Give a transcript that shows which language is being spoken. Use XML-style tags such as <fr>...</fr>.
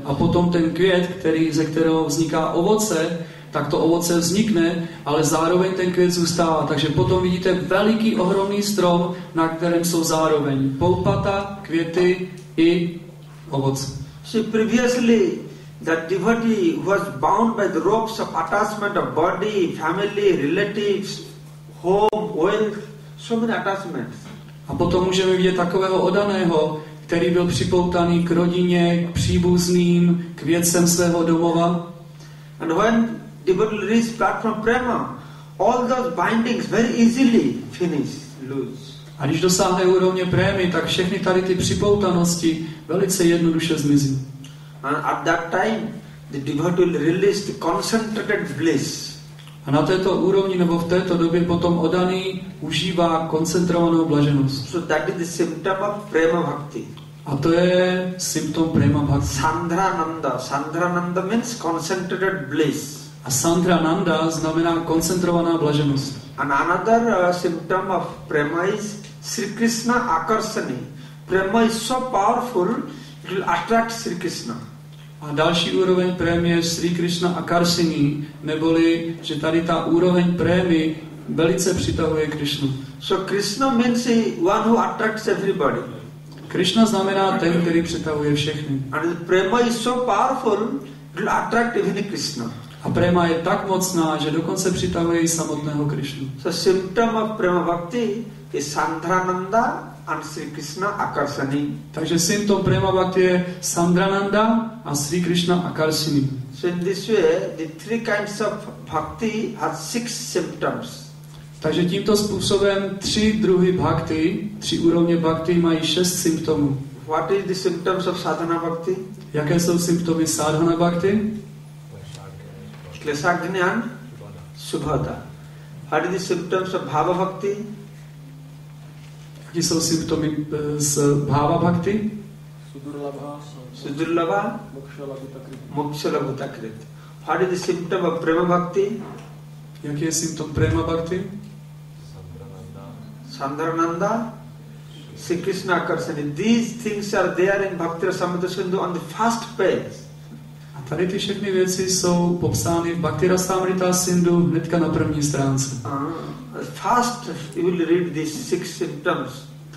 <cs>A potom ten květ, ze kterého vzniká ovoce, tak to ovoce vznikne, ale zároveň ten květ zůstává. Takže potom vidíte veliký, ohromný strom, na kterém jsou zároveň poupata, květy i ovoce.</cs> <en>So previously, that devotee was bound by the ropes of attachment of body, family, relatives, home, wealth, so many attachments.</en> <cs>A potom můžeme vidět takového oddaného, který byl připoutaný k rodině, k příbuzným, k věcem svého domova.</cs> <en>And when devotee reached platform prema, all those bindings very easily finish, lose.</en> <cs>A když dosáhne úrovně prémy, tak všechny tady ty připoutanosti velice jednoduše zmizí.</cs> <en>And at that time, the devotee will release the concentrated bliss.</en> <cs>A na této úrovni nebo v této době potom oddaný užívá koncentrovanou blaženost.</cs> <en>So that is the symptom of prema bhakti.</en> <cs>A to je symptom prema bhakti.</cs> <sa>Sandrananda.</sa> <en>Sandrananda means concentrated bliss.</en> <cs>A sandrananda znamená koncentrovaná blaženost.</cs> <en>And another symptom of prema is Sri Krishna akarsani. Prema is so powerful, it will attract Sri Krishna.</en> <cs>A další úroveň prémy je Sri Krishna akarsini, neboli, že tady ta úroveň prémy velice přitahuje Krishnu.</cs> <en>So Krishna means one who attracts everybody.</en> <cs>Krishna znamená ten, který přitahuje všechny.</cs> <en>And prema is so powerful, it will attract even Krishna.</en> <cs>A prema je tak mocná, že dokonce přitahuje i samotného Krishnu.</cs> <en>So symptom of prema bhakti is sandhrananda and Sri Krishna akarsani.</en> <cs>Takže symptom prema bhakti je sandrananda a Sri Krishna akarsini.</cs> <en>So in this way, the three kinds of bhakti has six symptoms.</en> <cs>Takže tímto způsobem tři druhy bhakti, tři úrovně bhakti mají šest symptomů.</cs> <en>What is the symptoms of sadhana bhakti?</en> <cs>Jaké jsou symptomy sadhana bhakti?</cs> <sa>Klesa gnyan, subhata.</sa> <en>What is the symptoms of bhava bhakti?</en> <cs>Jaký jsou symptomy z bhava bhakti?</cs> <sa>Sudurlava, mokšalabhuta krit.</sa> <en>What is the symptom of prema bhakti?</en> <cs>Jaký je symptom prema bhakti?</cs> <sa>Sandrananda, Sri Krishna akarsani.</sa> <en>These things are there in Bhakti Rasamrita Sindhu on the first page.</en> <cs>A tady ty všechny věci jsou popsány v Bhakti Rasamrita Sindhu hnedka na první stránce.</cs> <en>First, you will read these six symptoms.</en>